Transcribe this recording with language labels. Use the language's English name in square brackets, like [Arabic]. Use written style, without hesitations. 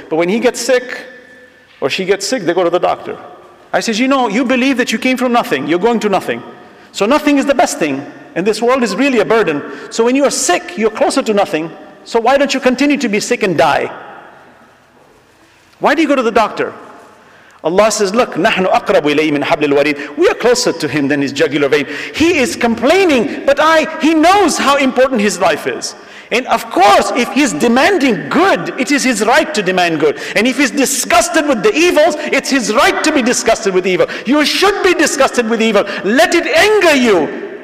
[English] But when he gets sick, or she gets sick, they go to the doctor. I says, you know, you believe that you came from nothing. You're going to nothing. So nothing is the best thing, and this world is really a burden. So when you are sick, you're closer to nothing. So why don't you continue to be sick and die? Why do you go to the doctor? Allah says, look, [Arabic] نَحْنُ أَقْرَبُ إِلَيْهِ مِنْ حَبْلِ الْوَرِيدِ. [English] We are closer to Him than His jugular vein. He is complaining, but He knows how important His life is. And of course, if he's demanding good, it is his right to demand good. And if he's disgusted with the evils, it's his right to be disgusted with evil. You should be disgusted with evil. Let it anger you.